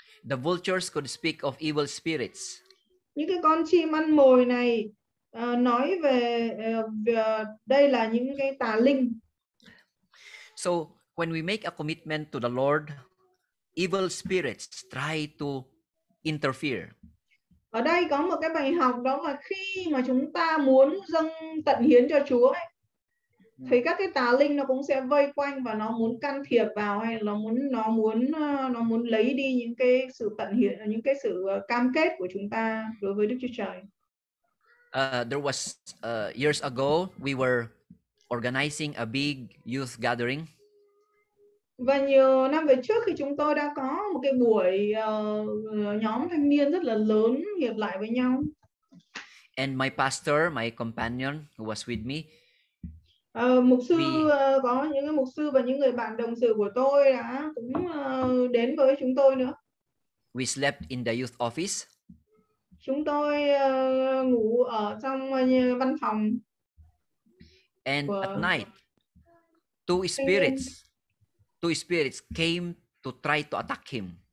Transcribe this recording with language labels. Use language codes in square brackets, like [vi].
[en] The vultures could speak of evil spirits. [vi] Những cái con chim ăn mồi này nói về, đây là những cái tà linh. [en] So when we make a commitment to the Lord, evil spirits try to interfere. [vi] Ở đây có một cái bài học, đó là khi mà chúng ta muốn dâng tận hiến cho Chúa ấy, thì các cái tà linh nó cũng sẽ vây quanh và nó muốn can thiệp vào, hay nó muốn lấy đi những cái sự tận hiến, những cái sự cam kết của chúng ta đối với Đức Chúa Trời. [en] There was years ago we were organizing a big youth gathering. [vi] Và nhiều năm về trước thì chúng tôi đã có một cái buổi nhóm thanh niên rất là lớn hiệp lại với nhau. [en] And my pastor, my companion who was with me. [vi] Mục sư có những cái mục sư và những người bạn đồng sự của tôi đã cũng đến với chúng tôi nữa. [en] We slept in the youth office. [vi] Chúng tôi ngủ ở trong văn phòng. [en] And at night, two spirits came to try to attack him.